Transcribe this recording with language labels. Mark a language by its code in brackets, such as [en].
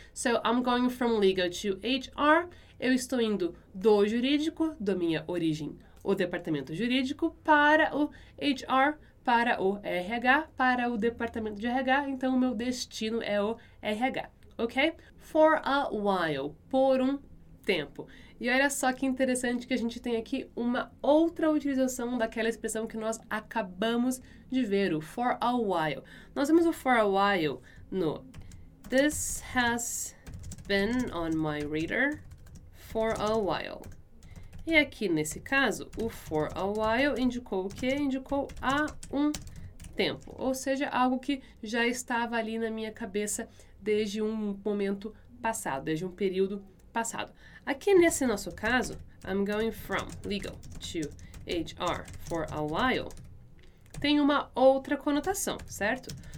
[en] So, I'm going from legal to HR. [pt] Eu estou indo do jurídico, da minha origem, o departamento jurídico, para o HR, para o RH, para o departamento de RH. Então, o meu destino é o RH, ok? For a while, por um tempo. E olha só que interessante que a gente tem aqui uma outra utilização daquela expressão que nós acabamos de ver, o for a while. Nós temos o for a while no [en] This has been on my radar for a while. [pt] E aqui nesse caso, o for a while indicou o quê? Indicou há um tempo, ou seja, algo que já estava ali na minha cabeça desde um momento passado, desde um período passado. Aqui nesse nosso caso, [en] I'm going from legal to HR for a while, [pt] tem uma outra conotação, certo?